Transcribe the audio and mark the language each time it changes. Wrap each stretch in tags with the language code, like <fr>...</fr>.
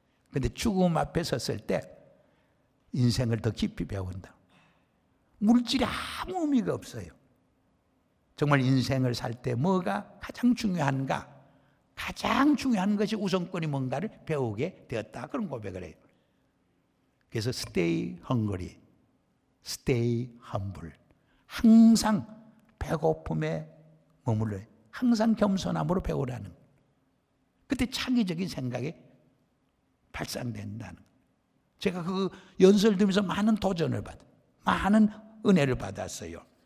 <ko>근데 죽음 앞에 섰을 때 인생을 더 깊이 배운다. 물질이 아무 의미가 없어요. 정말 인생을 살 때 뭐가 가장 중요한가? 가장 중요한 것이 우선권이 뭔가를 배우게 되었다. 그런 고백을 해요. 그래서</ko> <en>stay hungry, stay humble.</en> <ko>항상 배고픔에 머물러요. 항상 겸손함으로 배우라는. 그때 창의적인 생각이 발상된다는. 제가 그 연설을 들으면서 많은 도전을 받아, 많은 은혜를 받았어요.</ko>